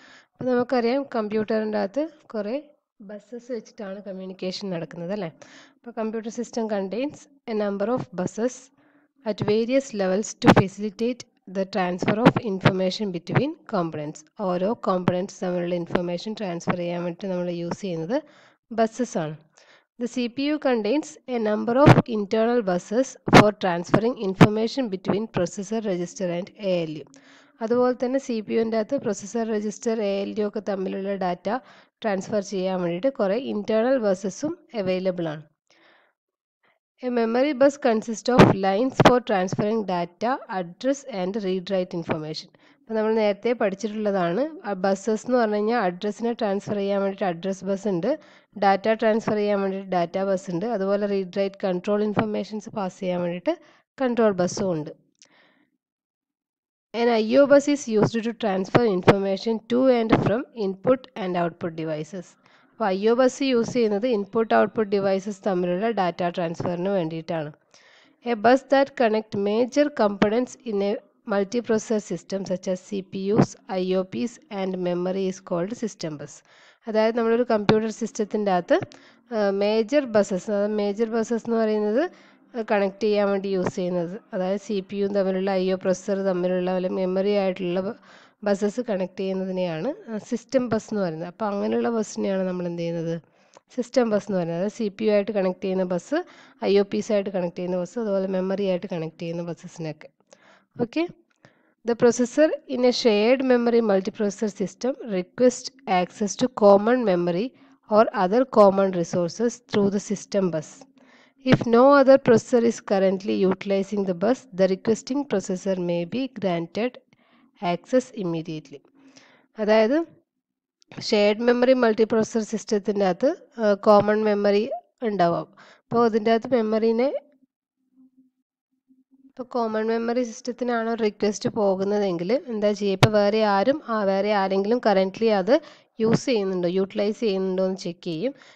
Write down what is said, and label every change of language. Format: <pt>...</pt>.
<ml>അപ്പോൾ നമുക്കറിയാം, കമ്പ്യൂട്ടറിൻ്റെ അകത്ത് കുറേ ബസ്സസ് വെച്ചിട്ടാണ് കമ്മ്യൂണിക്കേഷൻ നടക്കുന്നത് അല്ലേ.</ml> <en>അപ്പോൾ computer system contains a number of buses at various levels to facilitate the transfer of information between components.</en> <ml>ഓരോ കോമ്പണൻസ് തമ്മിലുള്ള ഇൻഫർമേഷൻ ട്രാൻസ്ഫർ ചെയ്യാൻ വേണ്ടി നമ്മൾ യൂസ് ചെയ്യുന്നത് ബസ്സസ് ആണ്.</ml> <en>The CPU contains a number of internal buses for transferring information between processor register and ALU.</en> <ml>അതുപോലെ തന്നെ CPU-ന്റെ അകത്ത് പ്രോസസർ രജിസ്റ്റർ ALU ഒക്കെ തമ്മിലുള്ള ഡാറ്റ ട്രാൻസ്ഫർ ചെയ്യാൻ വേണ്ടിയിട്ട് കുറേ ഇൻറ്റേർണൽ ബസ്സസും അവൈലബിൾ ആണ്.</ml> <en>A memory bus consist of lines for transferring data, address and read write information.</en> <ml>അപ്പോൾ നമ്മൾ നേരത്തെ പഠിച്ചിട്ടുള്ളതാണ്, ബസ്സസ് എന്ന് പറഞ്ഞു കഴിഞ്ഞാൽ അഡ്രസ്സിനെ ട്രാൻസ്ഫർ ചെയ്യാൻ വേണ്ടിയിട്ട് അഡ്രസ്സ് ബസ് ഉണ്ട്, ഡാറ്റ ട്രാൻസ്ഫർ ചെയ്യാൻ വേണ്ടിയിട്ട് ഡാറ്റ ബസ് ഉണ്ട്, അതുപോലെ read write control informations pass ചെയ്യാൻ വേണ്ടിയിട്ട് കൺട്രോൾ ബസ്സും ഉണ്ട്.</ml> <en>An IO bus is used to transfer information to and from input and output devices.</en> <ml>അപ്പോൾ IO bus യൂസ് ചെയ്യുന്നത് ഇൻപുട്ട് ഔട്ട്പുട്ട് ഡിവൈസസ് തമ്മിലുള്ള ഡാറ്റ ട്രാൻസ്ഫറിന് വേണ്ടിയിട്ടാണ്.</ml> <en>A bus that connect major components in a multi process system such as CPUs, IOPs and memory is called system bus.</en> <ml>അതായത് നമ്മളൊരു computer സിസ്റ്റത്തിൻ്റെ അകത്ത് major buses, അതായത് major buses എന്ന് പറയുന്നത് കണക്ട് ചെയ്യാൻ വേണ്ടി യൂസ് ചെയ്യുന്നത്, അതായത് CPU തമ്മിലുള്ള IO പ്രോസസർ തമ്മിലുള്ള അല്ലെങ്കിൽ മെമ്മറി ആയിട്ടുള്ള ബസ്സസ് കണക്ട് ചെയ്യുന്നതിനെയാണ് സിസ്റ്റം ബസ് എന്ന് പറയുന്നത്. അപ്പോൾ അങ്ങനെയുള്ള ബസ്സിനെയാണ് നമ്മൾ എന്ത് ചെയ്യുന്നത്, സിസ്റ്റം ബസ് എന്ന് പറയുന്നത്. അതായത് CPU ആയിട്ട് കണക്ട് ചെയ്യുന്ന ബസ്, IOPs ആയിട്ട് കണക്ട് ചെയ്യുന്ന ബസ്, അതുപോലെ മെമ്മറി ആയിട്ട് കണക്ട് ചെയ്യുന്ന ബസ്സസിനൊക്കെ.</ml> <en>Okay, the processor in a shared memory multi processor system request access to common memory or other common resources through the system bus. If no other processor is currently utilizing the bus, the requesting processor may be granted access immediately.</en> <ml>അതായത് shared memory multi processor സിസ്റ്റത്തിൻ്റെ അകത്ത് common memory ഉണ്ടാവാം. അപ്പോൾ അതിൻ്റെ അകത്ത് മെമ്മറീനെ ഇപ്പോൾ common memory സിസ്റ്റത്തിനാണോ request പോകുന്നതെങ്കിൽ എന്താ ചെയ്യുക, ഇപ്പോൾ വേറെ ആരും വേറെ ആരെങ്കിലും കറൻ്റ്ലി അത് യൂസ് ചെയ്യുന്നുണ്ടോ യൂട്ടിലൈസ് ചെയ്യുന്നുണ്ടോ എന്ന് ചെക്ക് ചെയ്യും.</ml>